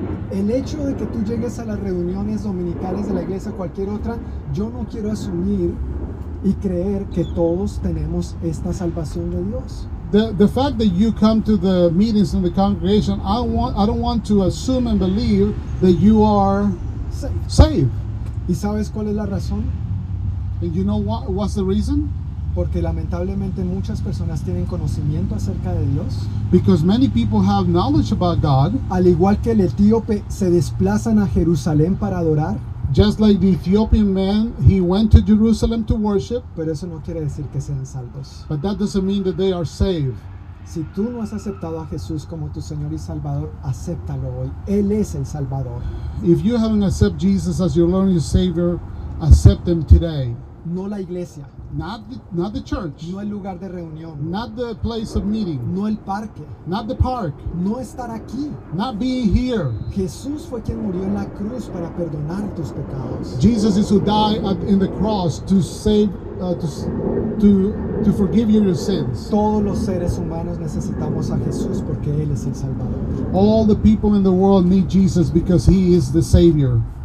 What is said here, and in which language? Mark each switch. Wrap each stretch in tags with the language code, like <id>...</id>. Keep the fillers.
<es>el hecho de que tú llegues a las reuniones dominicales de la iglesia o cualquier otra, yo no quiero asumir y creer que todos tenemos esta salvación de Dios.</es> <en>The, the fact that you come to the meetings in the congregation, I, don't want, I don't want to assume and believe that you are sí. saved.</en> <es>¿Y sabes cuál es la razón?</es> <en>And you know what, what's the reason?</en> <es>porque lamentablemente muchas personas tienen conocimiento acerca de Dios.</es> <en>Because many people have knowledge about God,</en> <es>Al igual que el etíope se desplazan a Jerusalén para adorar.</es> <en>Just like the Ethiopian man, he went to Jerusalem to worship.</en> <es>Pero eso no quiere decir que sean salvos.</es> <en>But that doesn't mean that they are saved.</en> <es>Si tú no has aceptado a Jesús como tu Señor y Salvador, acéptalo hoy. Él es el Salvador.</es> <en>If you haven't accepted Jesus as your Lord and Savior, accept him today</en> <es>no la iglesia.</es> <en>Not the, not the, church.</en> <es>No el lugar de reunión.</es> <en>Not the place of meeting.</en> <es>No el parque.</es> <en>Not the park.</en> <es>No estar aquí.</es> <en>Not being here.</en> <es>Jesús fue quien murió en la cruz para perdonar tus pecados.</es> <en>Jesus is who died at, in the cross to save uh, to, to to forgive you your sins.</en> <es>Todos los seres humanos necesitamos a Jesús porque él es el salvador.</es> <en>All the people in the world need Jesus because he is the savior.</en>